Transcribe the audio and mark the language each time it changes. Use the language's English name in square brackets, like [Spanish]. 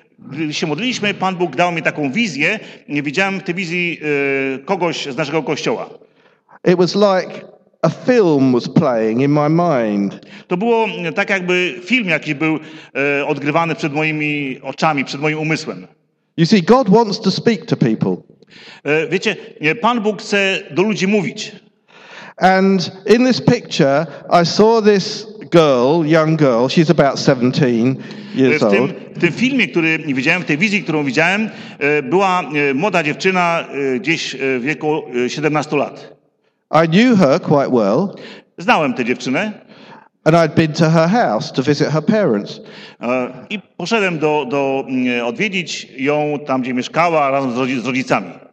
[Polish] Gdy się modliliśmy, Pan Bóg dał mi taką wizję. Widziałem w tej wizji kogoś z naszego kościoła. [English] It was like a film was playing in my mind. [Polish] To było tak, jakby film jakiś był odgrywany przed moimi oczami, przed moim umysłem. [English] You see, God wants to speak to people. [Polish] Wiecie, Pan Bóg chce do ludzi mówić. [English] And in this picture, I saw this girl, young girl, she's about 17 years old. [Polish] W tym filmie, który widziałem, w tej wizji, którą widziałem, była młoda dziewczyna gdzieś w wieku 17 lat. [English] I knew her quite well. [Polish] Znałem tę dziewczynę. [English] And I'd been to her house to visit her parents. [Polish] I poszedłem do odwiedzić ją tam, gdzie mieszkała, razem z rodzicami.